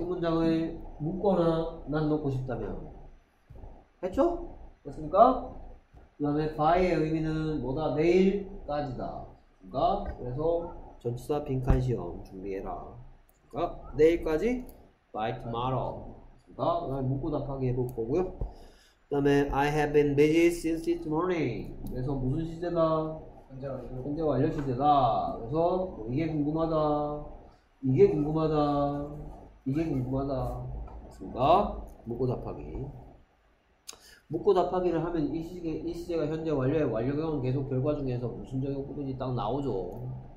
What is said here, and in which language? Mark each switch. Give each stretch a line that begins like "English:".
Korean: 이 문장을 묶거나 난 놓고 싶다면 했죠? 됐습니까? 그 다음에 by의 의미는 뭐다? 내일까지다. 그니까? 그래서 전치사 빈칸 시험 준비해라. 그니까? 내일까지?
English: by tomorrow.
Korean: 그니까? 그 다음에 묻고 답하기 해볼 거고요. 그 다음에
English: I have been busy since this morning.
Korean: 그래서 무슨 시제다? 현재 완료 시제다. 그래서 뭐 이게 궁금하다. 이게 궁금하다. 이게 궁금하다. 그니까? 묻고 답하기. 묻고 답하기를 하면 이 시제가 현재 완료에 완료형은 계속 결과 중에서 무순적인 부분이 딱 나오죠.